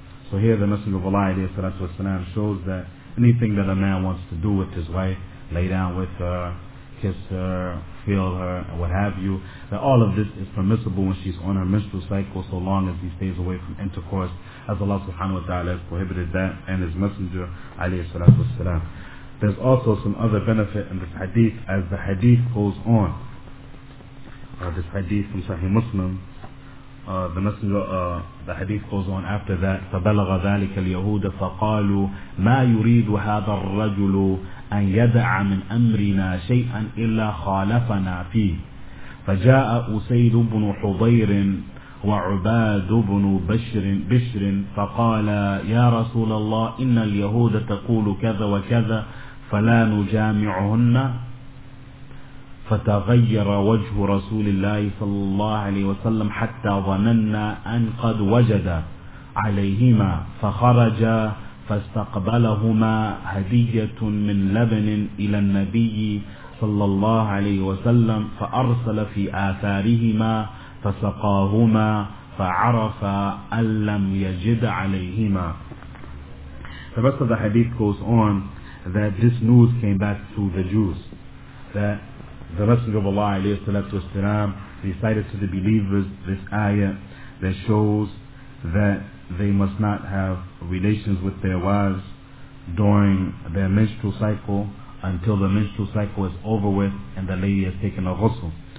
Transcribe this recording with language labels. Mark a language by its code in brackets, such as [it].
[en] So here the Messenger of Allah alayhi salatu wasalam shows that anything that a man wants to do with his wife, lay down with her, kiss her, feel her, and what have you, that all of this is permissible when she's on her menstrual cycle, so long as he stays away from intercourse, as Allah subhanahu wa ta'ala has prohibited that, and his Messenger, alayhi salatu wasalam. There's also some other benefit in this hadith, as the hadith goes on. This hadith from Sahih Muslim, the Messenger, the hadith goes on after that, [ar] فَبَلَغَ ذَلِكَ الْيَهُودَ فَقَالُوا مَا يُرِيدُ هَذَا الرَّجُلُ أَنْ يَدَعَ مِنْ أَمْرِنَا شَيْئًا إِلَّا خَالَفَنَا فِيهِ. فَجَاءَ أُسَيْدُ بْنُ حُضَيْرٍ وَعُبَادُ بْنُ بِشْرٍ فَقَالَ يَا رَسُولَ اللَّهِ إِنَّ الْيَهُودَ تَقُولُ كَذَا وَكَذَا فَلَا نُجَامِعُهُنَّ. فتغير وجه رسول الله صلى الله عليه وسلم حتى ظننا أن قد وجد عليهما، فخرج فاستقبلهما هدية من لبن إلى النبي صلى الله عليه وسلم، فأرسل في آثارهما فسقاهما، فعرف أن لم يجد عليهما. [en] The rest of the hadith goes on that this news came back to the Jews, that the Messenger of Allah عليه الصلاة والسلام recited to the believers this ayah that shows that they must not have relations with their wives during their menstrual cycle until the menstrual cycle is over with and the lady has taken a ghusl.